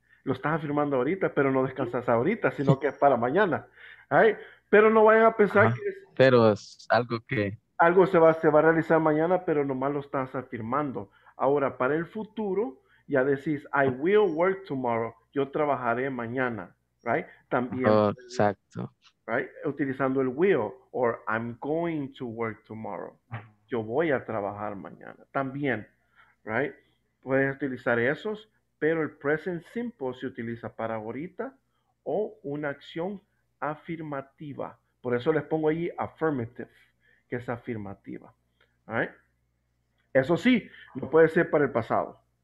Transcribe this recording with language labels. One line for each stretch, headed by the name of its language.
Spanish: Lo estás afirmando ahorita, pero no descansas ahorita, sino que es para mañana, right? Pero no vayan a pensar que es... Pero es algo que... Algo se va a realizar mañana, pero nomás lo estás afirmando. Ahora, para el futuro, ya decís,
English: I will work tomorrow,
Spanish: yo trabajaré mañana, right? También. Exacto.
English: Right?
Spanish: Utilizando el will,
English: or I'm going to work tomorrow.
Spanish: Yo voy a trabajar mañana. También, right? Puedes utilizar esos, pero el present simple se utiliza para ahorita o una acción afirmativa. Por eso les pongo ahí affirmative, que es afirmativa. Right? Eso sí, no puede ser para el pasado.